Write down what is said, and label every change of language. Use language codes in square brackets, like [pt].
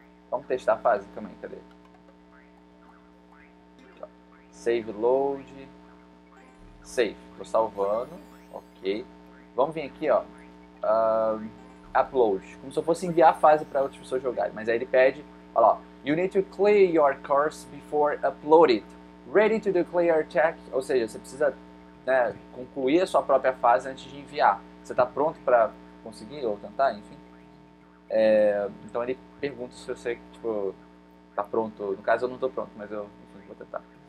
[pt] Vamos testar a fase também, cadê? Save load. Save. Tô salvando. Ok. Vamos vir aqui, ó. Upload. Como se eu fosse enviar a fase para outras pessoas jogarem. Mas aí ele pede. Olha lá. [en] You need to clear your course before upload it. Ready to declare attack. [pt] Ou seja, você precisa, né, concluir a sua própria fase antes de enviar. Você está pronto para conseguir ou tentar? Enfim. Então ele pergunta se você, tipo, está pronto. No caso, eu não estou pronto, mas eu, enfim, vou tentar.